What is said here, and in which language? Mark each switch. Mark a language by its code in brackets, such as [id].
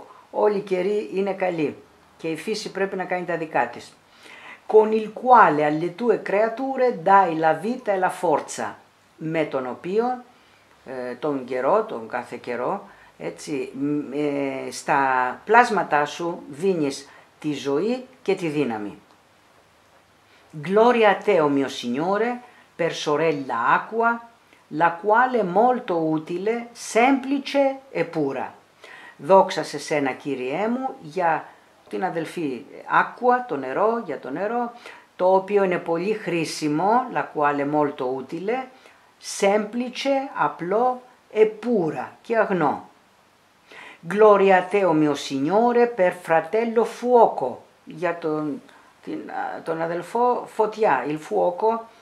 [el] Όλοι οι καιροί είναι καλοί και η φύση πρέπει να κάνει τα δικά της. [it] Con il quale alle tue creature dai la vita e la forza. [el] Με τον οποίο, τον καιρό, τον κάθε καιρό, έτσι, στα πλάσματά σου δίνεις τη ζωή και τη δύναμη. [it] Gloria a te, o mio Signore, per sorella acqua, la quale molto utile, semplice e pura. [el] Δόξα σε σένα, Κύριέ μου, για την αδελφή acqua, το νερό, για το νερό, το οποίο είναι πολύ χρήσιμο, [it] la quale molto utile, semplice, [el] απλό, [it] e pura, [el] και αγνό. [it] Gloria a te, o mio Signore, per fratello fuoco, [el] για τον αδελφό φωτιά, [it] il fuoco,